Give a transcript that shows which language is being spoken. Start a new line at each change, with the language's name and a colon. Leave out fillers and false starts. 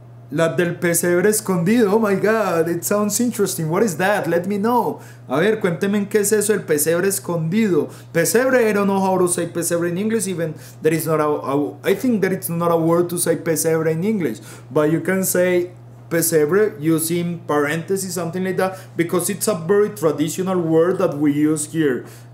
Spanish: La del pesebre escondido,
English: oh my god, it sounds interesting, what is that, let me know.
Spanish: A ver, cuénteme qué es eso, el pesebre escondido.
English: Pesebre, I don't know how to say pesebre in English, even there is not I think there is not a word to say pesebre in English, but you can say pesebre using parentheses, something like that, because it's a very traditional word that we use here.